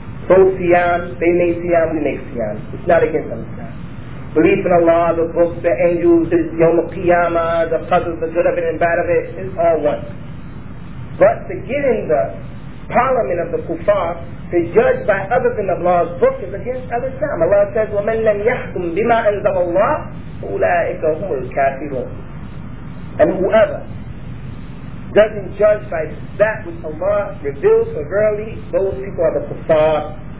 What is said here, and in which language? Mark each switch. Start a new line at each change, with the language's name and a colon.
English: Those siyam, they make siyam, we make siyam. It's not against them. Belief in Allah, the books, the angels, the Yawm al-Qiyamah, the puzzles, the good of it and bad of it, it's all one. But to get in the parliament of the kuffar, to judge by other than Allah's book, is against other Islam.
Arabic: Allah says, وَمَنْ لَمْ يَحْكُمْ بِمَا أَنْزَلَ اللَّهُ أُولَٰئِكَ هُمُ الْكَافِرُونَ.
English: And whoever doesn't judge by that which Allah reveals, so verily those people are the kuffar.